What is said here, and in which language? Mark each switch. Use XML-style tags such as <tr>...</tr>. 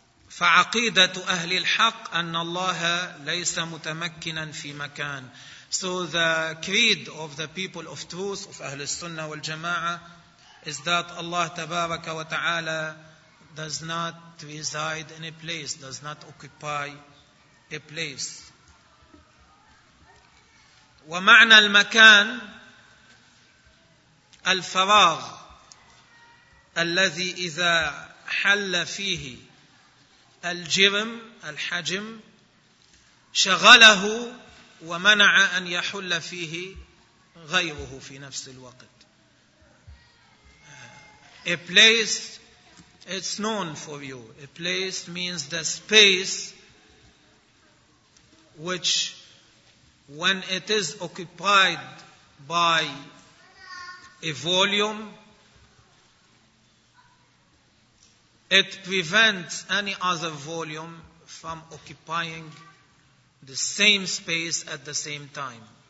<ar>فعقيدة أهل الحق أن الله ليس متمكنا في مكان.</ar> <en>So the creed of the people of truth, of</en> <ar>أهل السنة والجماعة,</ar> <en>is that Allah</en> <ar>تبارك وتعالى</ar> <en>does not reside in a place, does not occupy a place.</en> <ar>ومعنى المكان الفراغ الذي إذا حل فيه الجرم الحجم شغله ومنع أن يحل فيه غيره في نفس الوقت.</ar> <en>A place, it's known for you. A place means the space which when it is occupied by a volume, it prevents any other volume from occupying the same space at the same time.</en>